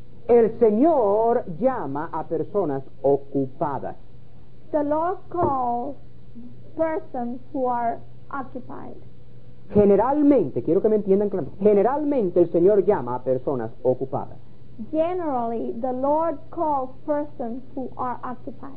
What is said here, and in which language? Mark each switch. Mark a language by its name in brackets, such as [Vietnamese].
[Spanish] el Señor llama a personas ocupadas. [English] The Lord calls persons who are occupied. [Spanish] Generalmente, quiero que me entiendan claramente. Generalmente el Señor llama a personas ocupadas. [English] Generally, the Lord calls persons who are occupied.